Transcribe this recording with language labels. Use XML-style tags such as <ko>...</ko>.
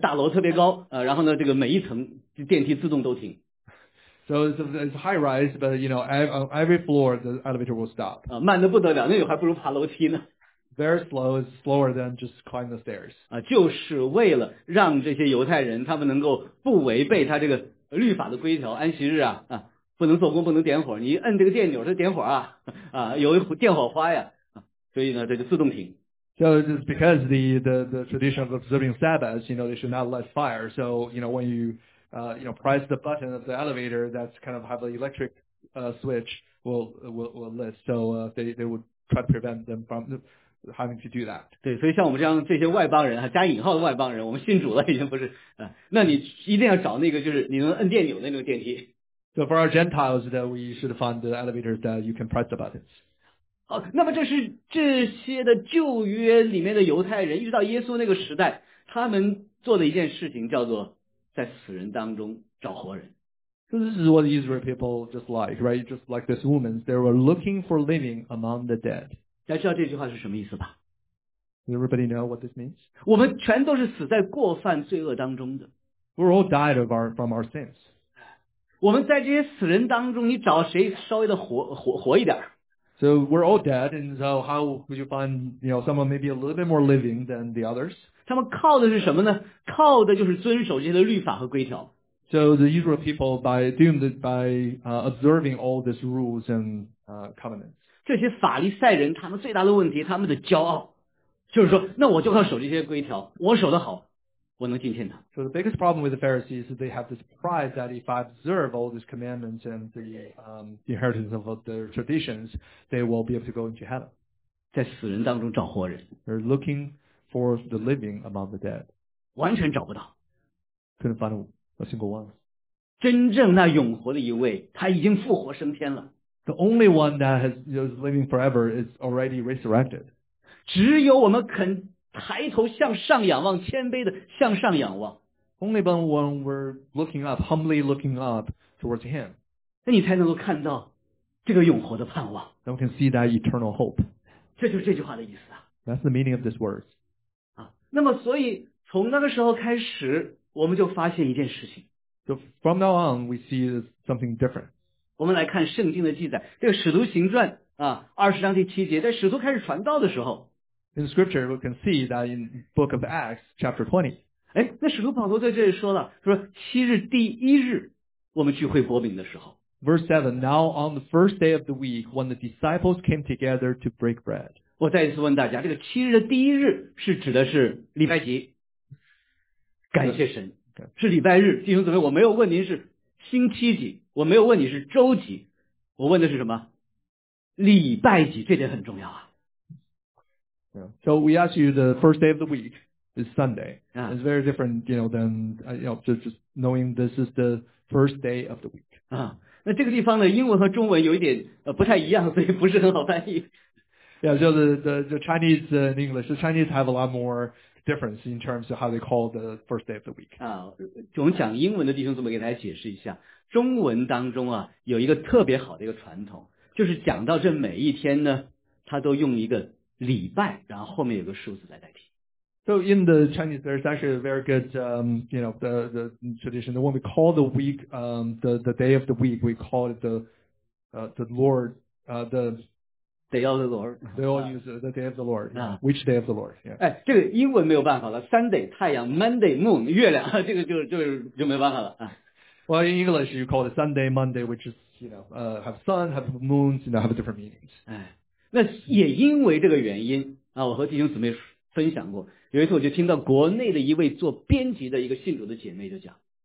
<zh>大楼特别高，然后呢，这个每一层电梯自动都停。</zh> <en>So it's high rise, but you know, on every floor, the elevator will stop.</en> <zh>啊，慢得不得了，那个还不如爬楼梯呢。</zh> <en>Very slow, it's slower than just climbing the stairs.</en> <zh>啊，就是为了让这些犹太人他们能够不违背他这个律法的规条，安息日啊，啊，不能做工，不能点火，你一摁这个电钮，它点火啊，啊，有电火花呀，啊，所以呢，这就自动停。</zh> <en>So it's because the tradition of observing Sabbath, you know, they should not light fire. So, you know, when you press the button of the elevator that's kind of have an electric switch will lift. So they would try to prevent them from having to do that.</en> <zh>对，所以像我们这样这些外邦人啊，加引号的外邦人，我们信主了已经不是啊，那你一定要找那个就是你能摁电钮的那种电梯。</zh> <en>So for our Gentiles, that we should find the elevators that you can press the buttons.</en> <zh>好，那么这是这些的旧约里面的犹太人，一直到耶稣那个时代，他们做的一件事情叫做。在死人当中找活人。</zh> <en>So this is what Israel people just like, right? Just like this woman, they were looking for living among the dead.</en> <zh>大家知道这句话是什么意思吧？</zh> <en>Does everybody know what this means?</en> <zh>我们全都是死在过犯罪恶当中的。</zh> <en>We're all died of from our sins.</en> <zh>我们在这些死人当中，你找谁稍微的活一点？</zh> <en>So we're all dead, and so how would you find, you know, someone maybe a little bit more living than the others?</en> <zh>他们靠的是什么呢？靠的就是遵守这些的律法和规条。</zh> <en>So the Israel people observing all these rules and covenants.</en> <zh>这些法利赛人他们最大的问题，他们的骄傲，就是说，那我就靠守这些规条，我守得好，我能进天堂。</zh> <en>So the biggest problem with the Pharisees is they have this pride that if I observe all these commandments and the inheritance of their traditions, they will be able to go into heaven.</en> <zh>在死人当中找活人。</zh> <en>They're looking. For the living among the dead.</en> <zh>完全找不到</zh> <en>Couldn't find a single one.</en> <zh>真正那永活的一位，他已经复活升天了。</zh> <en>The only one that has, you know, living forever is already resurrected.</en> <zh>只有我们肯抬头向上仰望，谦卑的向上仰望。</zh> <en>Only when we're looking up, humbly looking up towards Him.</en> <zh>那你才能够看到这个永活的盼望。</zh> <en>Then we can see that eternal hope.</en> <zh>这就是这句话的意思啊。</zh> <en>That's the meaning of this word.</en> <zh>啊，那么所以从那个时候开始，我们就发现一件事情。</zh> <en>So from now on, we see something different.</en> <zh>我们来看圣经的记载，这个《使徒行传》啊，二十章第七节，在使徒开始传道的时候。</zh> <en>In Scripture, we can see that in Book of Acts, chapter 20.</en> <zh>哎，那使徒保罗在这里说了，说七日第一日，我们聚会擘饼的时候。</zh> <en>Verse 7, now on the first day of the week, when the disciples came together to break bread.</en> <zh>我再一次问大家，这个七日的第一日是指的是礼拜几？感谢神。</zh> <en>Okay.</en> <zh>是礼拜日，弟兄姊妹，我没有问您是星期几，我没有问你是周几，我问的是什么？礼拜几，这点很重要啊。</zh> <en>Yeah. So we ask you the first day of the week is Sunday. It's very different, you know, than, you know, just knowing this is the first day of the week.</en> <zh>啊，那这个地方呢，英文和中文有一点不太一样，所以不是很好翻译。</zh> <en>Yeah, so the Chinese and English, the Chinese have a lot more difference in terms of how they call the first day of the week.</en> <zh>啊，总讲英文的弟兄怎么给大家解释一下？中文当中啊，有一个特别好的一个传统，就是讲到这每一天呢，他都用一个礼拜，然后后面有个数字来代替。</zh> <en>So in the Chinese, there's actually a very good, you know, the tradition. When we call the week, the day of the week, we call it the Lord, the Day of the Lord. They all use the Day of the Lord. Which Day of the Lord? Yeah.</en> <zh>哎，这个英文没有办法了。 Sunday, 太阳 ；</zh> <en>Monday, moon,</en> <zh>月亮。这个就没办法了啊。</zh> <en>Well, in English, you call it Sunday, Monday, which is, you know, have sun, have moons, you know, have different meanings.</en> <zh>哎，那也因为这个原因啊，我和弟兄姊妹分享过。有一次我就听到国内的一位做编辑的一个信主的姐妹就讲。</zh>